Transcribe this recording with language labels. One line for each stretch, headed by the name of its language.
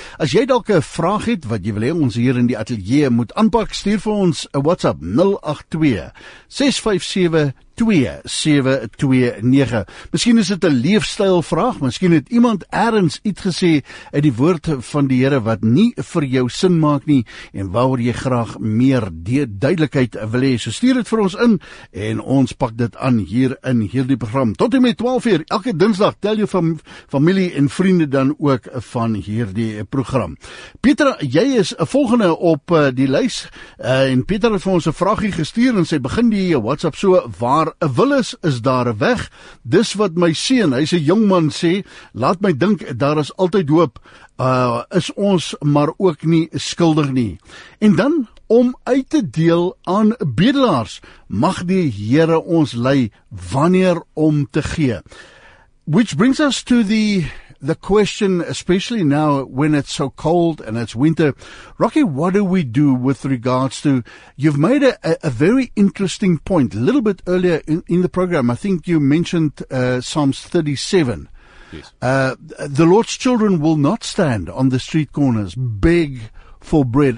Afrikaans: As jy dalk 'n vraag het wat jy wil hê ons hier in die atelier moet aanpak, stuur vir ons 'n WhatsApp 082-657-2729. Miskien is dit 'n leefstylvraag, miskien het iemand ergens iets gesê uit die woord van die Here wat nie vir jou sin maak nie en waaroor jy graag meer duidelikheid wil hê. So stuur dit vir ons in en ons pak dit aan hier in hierdie program. Tot en met 12 uur elke Dinsdag, tel jou familie en vriende dan ook van hierdie program. Petra, jy is volgende op die lys en Petra het vir ons 'n vraagie gestuur en sy begin die WhatsApp so: waar 'n wil is daar 'n weg. Dis wat my seun, hy's 'n jong man, sê, laat my dink, daar is altyd hoop. Is ons maar ook nie skuldig nie. En dan, om uit te deel aan bedelaars, mag die Here ons lei wanneer om te gee.
English: Which brings us to the the question, especially now when it's so cold and it's winter, Rocky, what do we do with regards to, you've made a very interesting point a little bit earlier in the program. I think you mentioned Psalms 37. Yes. The Lord's children will not stand on the street corners, beg for bread.